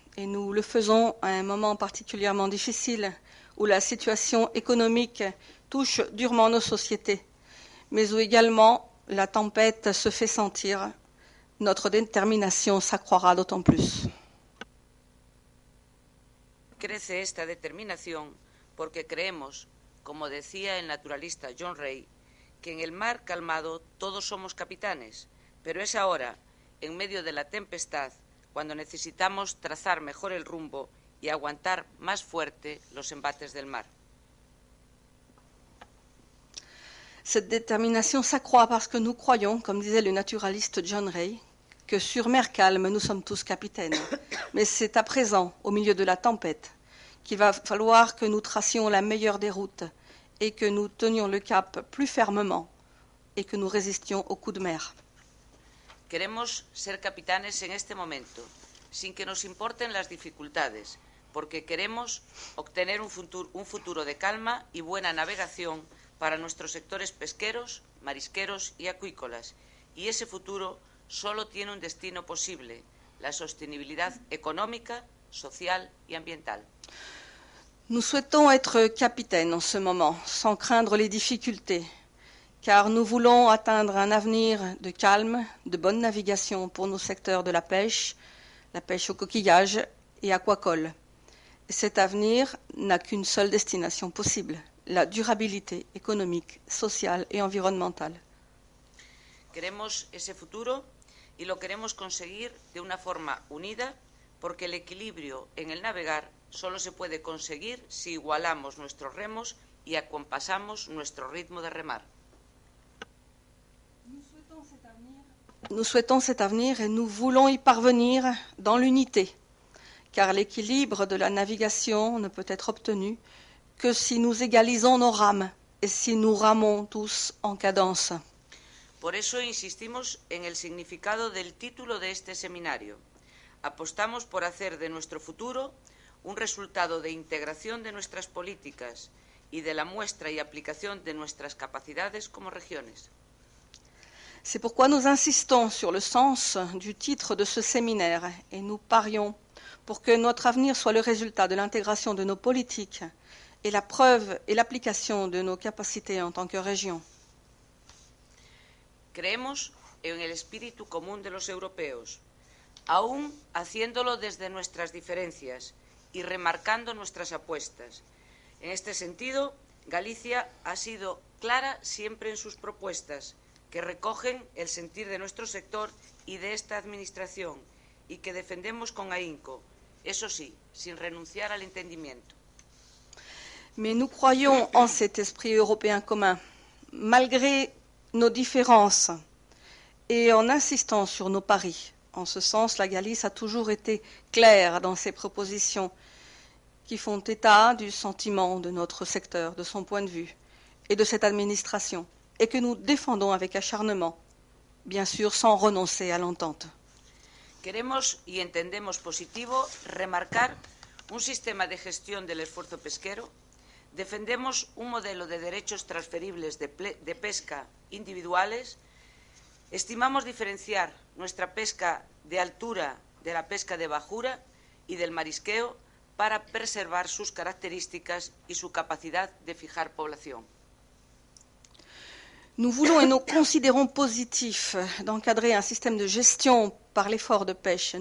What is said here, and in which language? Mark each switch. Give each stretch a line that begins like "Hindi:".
French: Et nous le faisons à un moment particulièrement difficile où la situation économique touche durement nos sociétés, mais où également la tempête se fait sentir. Notre détermination s'accroîtra d'autant plus.
Spanish: Crece esta determinación porque creemos, como decía el naturalista John Ray, que en el mar calmado todos somos capitanes, pero es ahora, en medio de la tempestad, cuando necesitamos trazar mejor el rumbo y aguantar más fuerte los embates del mar.
French: Cette détermination s'accroît parce que nous croyons, comme disait le naturaliste John Ray, que sur mer calme nous sommes tous capitaines. Mais c'est à présent, au milieu de la tempête, qu'il va falloir que nous tracions la meilleure des routes et que nous tenions le cap plus fermement et que nous résistions aux coups de mer.
Spanish: Queremos ser capitanes en este momento, sin que nos importen las dificultades, porque queremos obtener un futuro de calma y buena navegación para nuestros sectores pesqueros, marisqueros y acuícolas. Y ese futuro solo tiene un destino posible, la sostenibilidad económica, social y ambiental.
French: Nous souhaitons être capitaines en ce moment, sans craindre les difficultés, car nous voulons atteindre un avenir de calme, de bonne navigation pour nos secteurs de la pêche aux coquillages et aquacoles. Et cet avenir n'a qu'une seule destination possible, la durabilité économique, sociale et environnementale.
Spanish: Queremos ese futuro y lo queremos conseguir de una forma unida, porque el equilibrio en el navegar solo se puede conseguir si igualamos nuestros remos y acompasamos nuestro ritmo de remar.
French: Nous souhaitons cet avenir et nous voulons y parvenir dans l'unité, car l'équilibre de la navigation ne peut être obtenu que si nous égalisons nos rames et si nous ramons tous en cadence.
Spanish: Por eso insistimos en el significado del título de este seminario. Apostamos por hacer de nuestro futuro un resultado de integración de nuestras políticas y de la muestra y aplicación de nuestras capacidades como regiones.
French: C'est pourquoi nous insistons sur le sens du titre de ce séminaire et nous parions pour que notre avenir soit le résultat de l'intégration de nos politiques et la preuve et l'application de nos capacités en tant que région.
Spanish: Creemos en el espíritu común de los europeos, aún haciéndolo desde nuestras diferencias y remarcando nuestras apuestas. En este sentido, Galicia ha sido clara siempre en sus propuestas, que recogen el sentir de nuestro sector y de esta administración y que defendemos con ahínco, eso sí, sin renunciar al entendimiento.
French: Mais nous croyons en cet esprit européen commun, malgré nos différences et en insistant sur nos paris. En ce sens, la Galice a toujours été claire dans ses propositions qui font état du sentiment de notre secteur, de son point de vue et de cette administration. Et que nous défendons avec acharnement, bien sûr sans renoncer à l'entente.
Spanish: Queremos y entendemos positivo remarcar un sistema de gestión del esfuerzo pesquero. Defendemos un modelo de derechos transferibles de pesca individuales. Estimamos diferenciar nuestra pesca de altura de la pesca de bajura y del marisqueo para preservar sus características y su capacidad de fijar población.
French: Nous voulons et nous considérons positif d'encadrer un système de gestion par l'effort de pêche.